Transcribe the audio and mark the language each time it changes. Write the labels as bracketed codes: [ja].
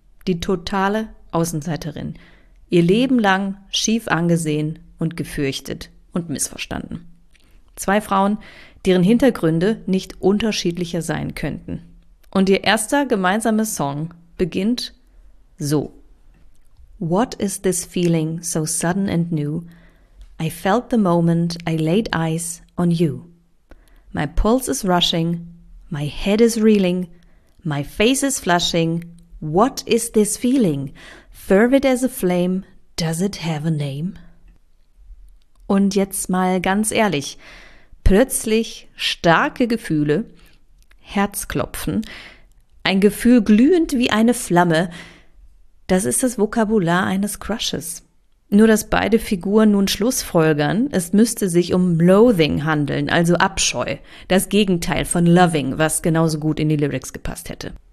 [de] Die totale Außenseiterin. Ihr Leben lang schief angesehen und gefürchtet und missverstanden. Zwei Frauen, deren Hintergründe nicht unterschiedlicher sein könnten. Und ihr erster gemeinsamer Song beginnt so. [en] What is this feeling so sudden and new? I felt the moment I laid eyes on you. My pulse is rushing, my head is reeling, my face is flushing. What is this feeling? Fervid as a flame, does it have a name? [de] Und jetzt mal ganz ehrlich, plötzlich starke Gefühle, Herzklopfen, ein Gefühl glühend wie eine Flamme, das ist das Vokabular eines Crushes. Nur dass beide Figuren nun schlussfolgern, es müsste sich um Loathing handeln, also Abscheu, das Gegenteil von Loving, was genauso gut in die Lyrics gepasst hätte.